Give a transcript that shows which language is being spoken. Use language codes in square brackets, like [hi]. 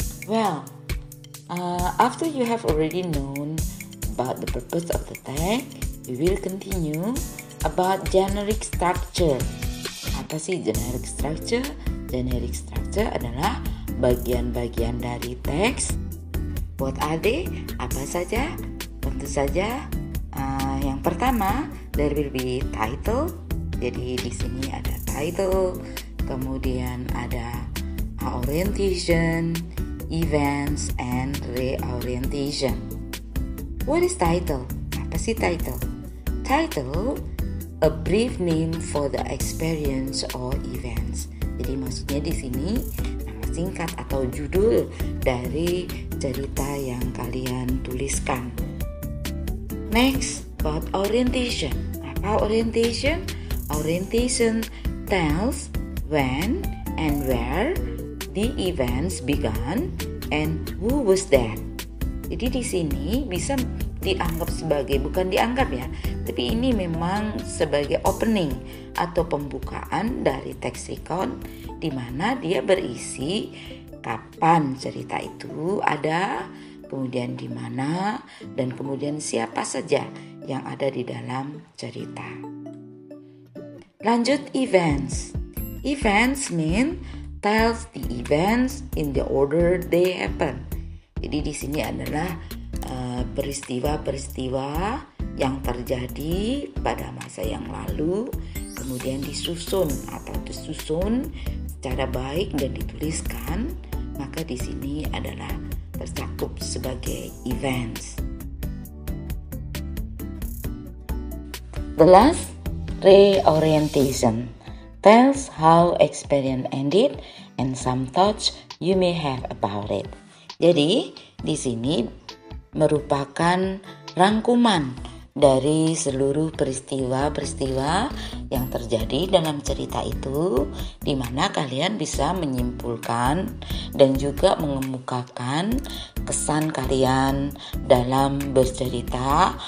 [en] Well, after you have already known about the purpose of the tag, we will continue about generic structure. [id] Apa sih generic structure? Generic structure adalah bagian-bagian dari teks. [en] What are they? [id] Apa saja? Tentu saja, yang pertama, [en] there will be title. [id] Jadi di sini ada title, kemudian ada orientation, events, and reorientation. [en] What is title? [id] Apa sih title? [en] Title, a brief name for the experience or events. [id] Jadi maksudnya di sini nama singkat atau judul dari cerita yang kalian tuliskan. [en] Next, about orientation. Apa orientation? Orientation tells when and where the events began and who was there. [id] Jadi di sini bisa dianggap sebagai, bukan dianggap ya, tapi ini memang sebagai opening atau pembukaan dari teks recount, di mana dia berisi kapan cerita itu ada, kemudian di mana, dan kemudian siapa saja yang ada di dalam cerita. Lanjut, events. [en] Events mean tells the events in the order they happen. [id] Jadi di sini adalah peristiwa-peristiwa yang terjadi pada masa yang lalu, kemudian disusun atau disusun secara baik dan dituliskan, maka di sini adalah tercakup sebagai events. [en] The last, reorientation, tells how experience ended and some thoughts you may have about it. [id] Jadi di sini merupakan rangkuman dari seluruh peristiwa-peristiwa yang terjadi dalam cerita itu, di mana kalian bisa menyimpulkan dan juga mengemukakan kesan kalian dalam bercerita.